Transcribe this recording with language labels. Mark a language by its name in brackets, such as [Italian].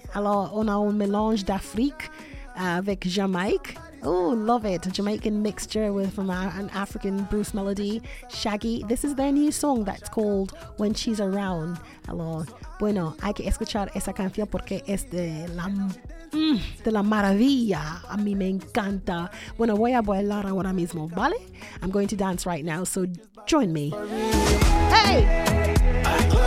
[French] Alors on a un mélange d'Afrique avec Jamaïque. [English] Oh, love it. A Jamaican mixture with from an African Bruce Melody, Shaggy. This is their new song that's called When She's Around. Hello. [Spanish] Bueno, hay que escuchar esa canción porque es de la maravilla. A mí me encanta. Bueno, voy a bailar ahora mismo, ¿vale? [English] I'm going to dance right now, so join me. Hey!